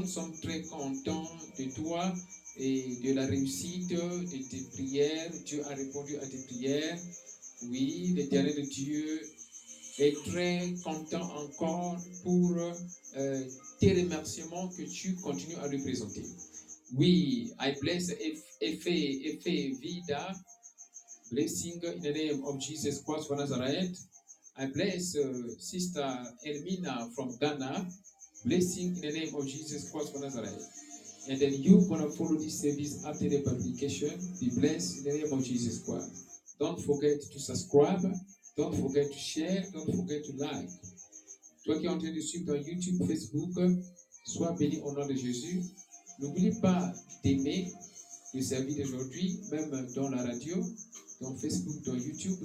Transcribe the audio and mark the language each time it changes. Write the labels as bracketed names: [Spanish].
[French] Nous sommes très contents de toi et de la réussite de tes prières. Dieu a répondu à tes prières. Oui, l'Éternel de Dieu est très content encore pour tes remerciements que tu continues à lui présenter. [English] Oui, I bless Efe Vida. Blessing in the name of Jesus Christ of Nazareth. I bless Sister Elmina from Ghana. Blessing in the name of Jesus Christ of Nazareth. And then you gonna follow this service after the publication. Be blessed in the name of Jesus Christ. Don't forget to subscribe. Don't forget to share. Don't forget to like. [French] Toi qui es en train de suivre dans YouTube, Facebook, sois béni au nom de Jésus. N'oublie pas d'aimer le service d'aujourd'hui, même dans la radio, dans Facebook, dans YouTube.